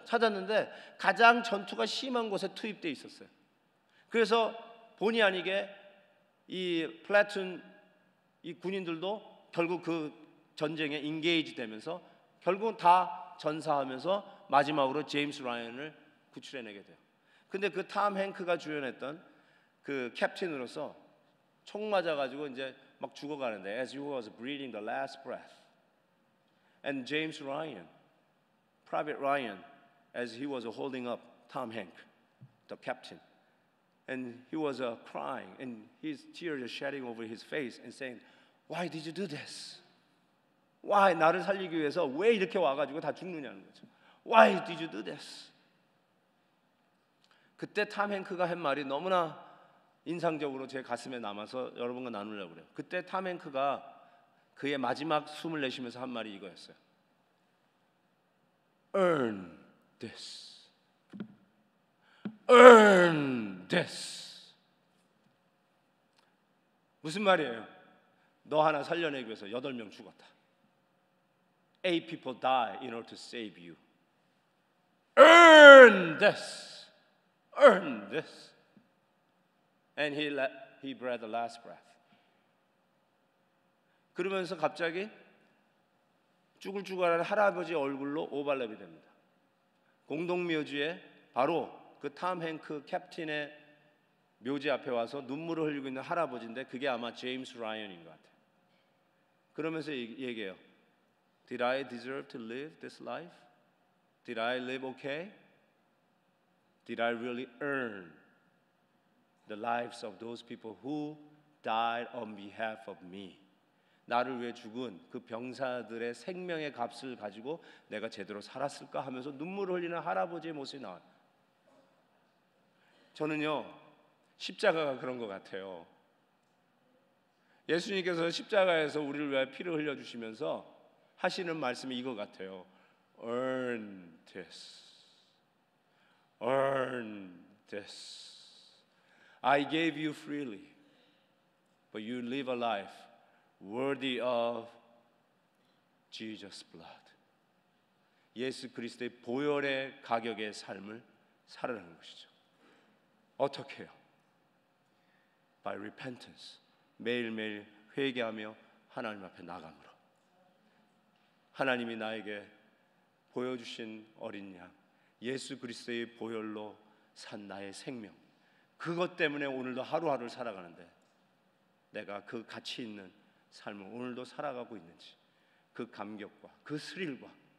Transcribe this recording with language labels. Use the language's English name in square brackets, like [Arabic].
[Korean] 찾았는데 가장 전투가 심한 곳에 투입돼 있었어요. 그래서 본의 아니게 이 플래툰 이 군인들도 결국 그 전쟁에 인게이지 되면서 결국 다 전사하면서 마지막으로 제임스 라이언을 구출해내게 돼요. 근데 그 탐 행크가 주연했던 그 캡틴으로서 총 맞아가지고 이제 막 죽어가는데 [English] as he was breathing the last breath and James Ryan Private Ryan as he was holding up Tom Hanks the captain and he was crying and his tears were shedding over his face and saying why did you do this? why [Korean] 나를 살리기 위해서 왜 이렇게 와가지고 다 죽느냐는 거죠. [English] why did you do this? [Korean] 그때 Tom Hanks가 한 말이 너무나 인상적으로 제 가슴에 남아서 여러분과 나누려고 그래요. 그때 탐 행크가 그의 마지막 숨을 내쉬면서 한 말이 이거였어요. [English] Earn this. Earn this. [Korean] 무슨 말이에요? 너 하나 살려내기 위해서 8명 죽었다. [English] Eight people die in order to save you. Earn this. Earn this. And he breathed the last breath. [Korean] 그러면서 갑자기 쭈글쭈글한 할아버지 얼굴로 오버랩이 됩니다. 공동묘지에 바로 그 탐 행크 캡틴의 묘지 앞에 와서 눈물을 흘리고 있는 할아버지인데 그게 아마 제임스 라이언인 것 같아요. 그러면서 얘기해요. [English] Did I deserve to live this life? Did I live okay? Did I really earn the lives of those people who died on behalf of me? [Korean] 나를 위해 죽은 그 병사들의 생명의 값을 가지고 내가 제대로 살았을까 하면서 눈물 흘리는 할아버지의 모습이 나와요. 저는요, 십자가가 그런 것 같아요. 예수님께서 십자가에서 우리를 위해 피를 흘려주시면서 하시는 말씀이 이거 같아요. [English] Earn this. Earn this. I gave you freely, but you live a life worthy of Jesus' blood. [Korean] 예수 그리스도의 보혈의 가격의 삶을 살아가는 것이죠. 어떻게 해요? [English] By repentance. [Korean] 매일매일 회개하며 하나님 앞에 나감으로. 하나님이 나에게 보여주신 어린 양, 예수 그리스도의 보혈로 산 나의 생명, 그것 때문에 오늘도 하루하루를 살아가는데 내가 그 가치 있는 삶을 오늘도 살아가고 있는지, 그 감격과 그 스릴과